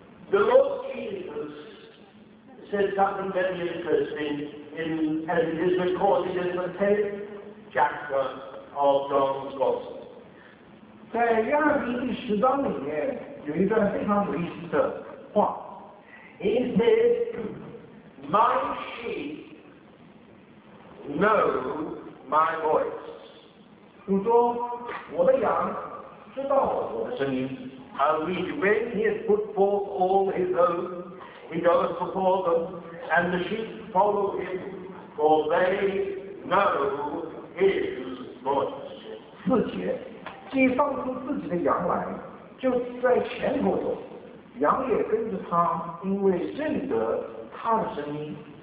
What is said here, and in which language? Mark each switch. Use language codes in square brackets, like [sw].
[zh] 与知道有关于主的事，这两件事情是截然不同的。 [en] The Lord Jesus said something very interesting in, as it is recorded in the 10th chapter of John's Gospel. [zh] 在约翰福音第十章里面有一段非常有意思的话。 [en] He said, "My sheep know." My voice. [zh] 主说，我的羊知道我的声音。 [en] When he has put forth all his own, he goes before them, and the sheep follow him, for they know his voice. [zh] 四节，既放出自己的羊来，就在前头走，羊也跟着他，因为认得他的声音。